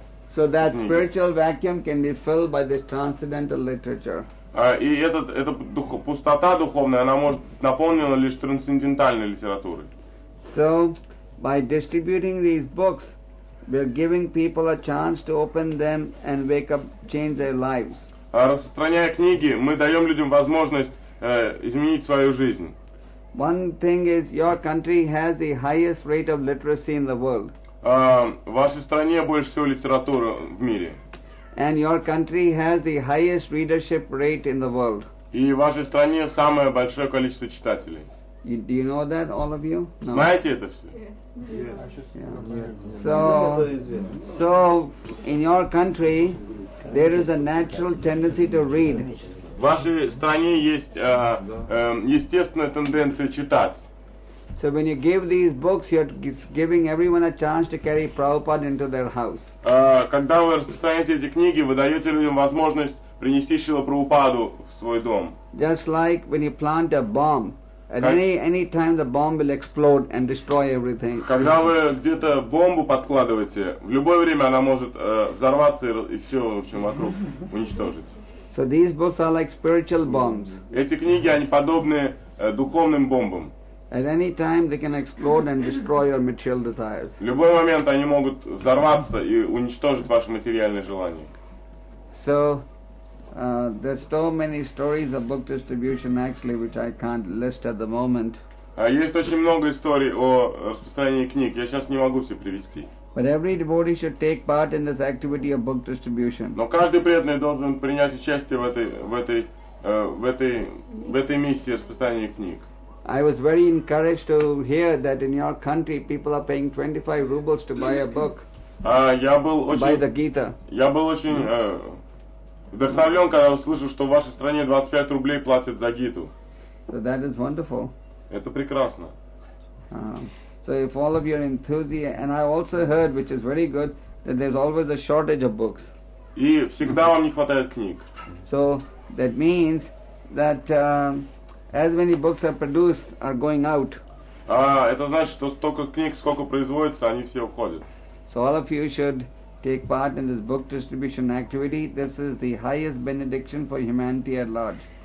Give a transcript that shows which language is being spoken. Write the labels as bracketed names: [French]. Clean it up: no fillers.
[English] So that spiritual vacuum can be filled by this transcendental literature. [Russian] И эта пустота духовная, она может наполнена лишь трансцендентальной литературой. [English] So, by distributing these books, we're giving people a chance to open them and wake up, change their lives. [Russian] Распространяя книги, мы даем людям возможность изменить свою жизнь. [English] One thing is, your country has the highest rate of literacy in the world. [Russian] В вашей стране больше всего литературы в мире. [English] And your country has the highest readership rate in the world. [Russian] И в вашей стране самое большое количество читателей. [English] Do you know that, all of you? [Russian] No. Знаете это все? [English] Yes. So, in your country, there is a natural tendency to read. [Russian] В вашей стране есть естественная тенденция читать. [English] So when you give these books, you're giving everyone a chance to carry Prabhupada into their house. [Russian] Когда вы распространяете эти книги, вы даете людям возможность принести Шрилу Прабхупаду в свой дом. [English] Just like when you plant a bomb, at any time the bomb will explode and destroy everything. [Russian] Когда вы где-то бомбу подкладываете, в любое время она может взорваться и все в общем вокруг уничтожить. [English] So these books are like spiritual bombs. [Russian] Эти книги они подобны духовным бомбам. [English] At any time they can explode and destroy your material desires. [Russian] В любой момент они могут взорваться и уничтожить ваши материальные желания. [English] So, there's so many stories of book distribution actually which I can't list at the moment. [Russian] Есть очень много историй о распространении книг. Я сейчас не могу все привести. [English] But every devotee should take part in this activity of book distribution. [Russian] Но каждый преданный должен принять участие в этой миссии распространения книг. [English] I was very encouraged to hear that in your country people are paying 25 rubles to buy a book. Buy the Gita. [Russian] Я был очень вдохновлен, когда услышал, что в вашей стране 25 рублей платят за Гиту. [English] So that is wonderful. [Russian] Это прекрасно. [English] So if all of your enthusiasm, and I also heard, which is very good, that there's always a shortage of books. [Russian] И всегда вам не хватает книг. [English] So that means that as many books are produced, are going out. [Russian] Это значит, что столько книг, сколько производится, они все уходят. [English] So all of you should take part in this book distribution activity. This is the highest benediction for humanity at large.